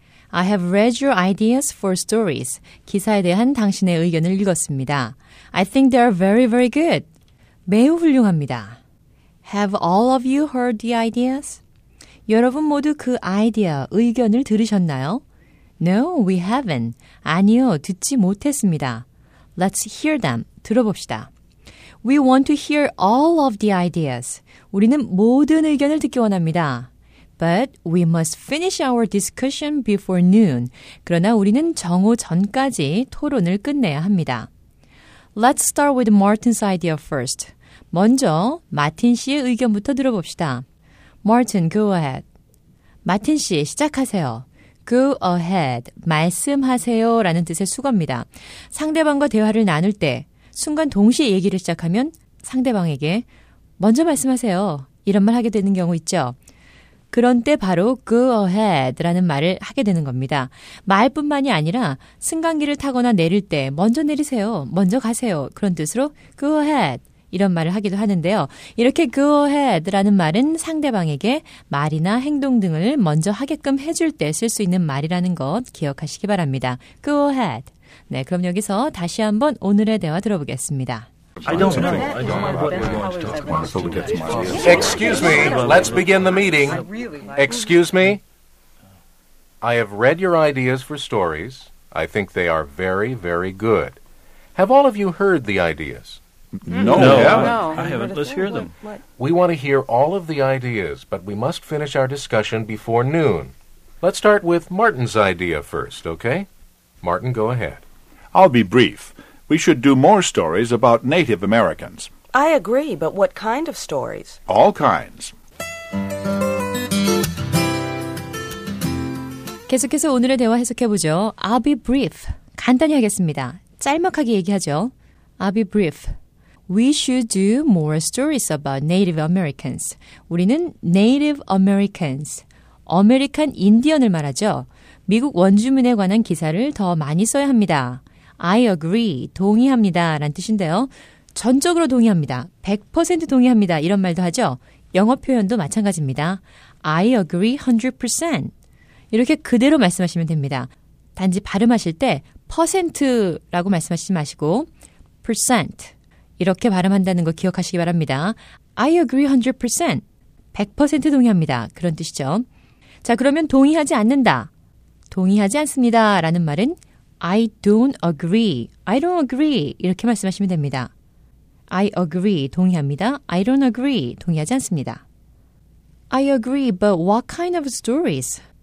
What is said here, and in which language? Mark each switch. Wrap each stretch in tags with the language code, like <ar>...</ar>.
<en>I have read your ideas for stories.</en> <ko>기사에 대한 당신의 의견을 읽었습니다.</ko> <en>I think they are very, very good.</en> <ko>매우 훌륭합니다.</ko> <en>Have all of you heard the ideas?</en> <ko>여러분 모두 그 아이디어, 의견을 들으셨나요?</ko> <en>No, we haven't.</en> <ko>아니요, 듣지 못했습니다.</ko> <en>Let's hear them.</en> <ko>들어봅시다.</ko> <en>We want to hear all of the ideas.</en> <ko>우리는 모든 의견을 듣기 원합니다.</ko> <en>But we must finish our discussion before noon.</en> <ko>그러나 우리는 정오 전까지 토론을 끝내야 합니다.</ko> <en>Let's start with Martin's idea first.</en> <ko>먼저 마틴 씨의 의견부터 들어봅시다.</ko> <en>Martin, go ahead.</en> <ko>마틴 씨, 시작하세요.</ko> <en>Go ahead.</en> <ko>말씀하세요 라는 뜻의 수거입니다. 상대방과 대화를 나눌 때 순간 동시에 얘기를 시작하면 상대방에게 먼저 말씀하세요 이런 말 하게 되는 경우 있죠. 그런 때 바로 go ahead 라는 말을 하게 되는 겁니다. 말뿐만이 아니라 승강기를 타거나 내릴 때 먼저 내리세요, 먼저 가세요 그런 뜻으로 go ahead 이런 말을 하기도 하는데요. 이렇게 go ahead 라는 말은 상대방에게 말이나 행동 등을 먼저 하게끔 해줄 때 쓸 수 있는 말이라는 것 기억하시기 바랍니다.</ko> <en>Go ahead.</en> <ko>네, 그럼 여기서 다시 한번 오늘의 대화 들어보겠습니다.</ko> <en>Excuse me, let's begin the meeting. Excuse me. I have read your ideas for stories. I think they are very, very good. Have all of you heard the ideas? No, I haven't. Let's hear them. We want to hear all of the ideas, but we must finish our discussion before noon. Let's start with Martin's idea first, okay? Martin, go ahead. I'll be brief. We should do more stories about Native Americans. I agree, but what kind of stories? All kinds.</en> <ko>계속해서 오늘의 대화 해석해 보죠.</ko> <en>I'll be brief.</en> <ko>간단히 하겠습니다. 짤막하게 얘기하죠.</ko> <en>I'll be brief. We should do more stories about Native Americans.</en> <ko>우리는 Native Americans, 아메리칸 인디언을 말하죠. 미국 원주민에 관한 기사를 더 많이 써야 합니다.</ko> <en>I agree,</en> <ko>동의합니다 라는 뜻인데요. 전적으로 동의합니다. 100% 동의합니다 이런 말도 하죠. 영어 표현도 마찬가지입니다.</ko> <en>I agree 100%.</en> <ko>이렇게 그대로 말씀하시면 됩니다. 단지 발음하실 때 퍼센트라고 말씀하시지 마시고 percent 이렇게 발음한다는 거 기억하시기 바랍니다.</ko> <en>I agree 100%.</en> <ko>100% 동의합니다 그런 뜻이죠. 자, 그러면 동의하지 않는다. 동의하지 않습니다 라는 말은</ko> <en>I don't agree. I don't agree.</en> <ko>이렇게 말씀하시면 됩니다.</ko> <en>I agree.</en> <ko>동의합니다.</ko> <en>I don't agree.</en> <ko>동의하지 않습니다.</ko> <en>I agree, but what kind of stories?</en>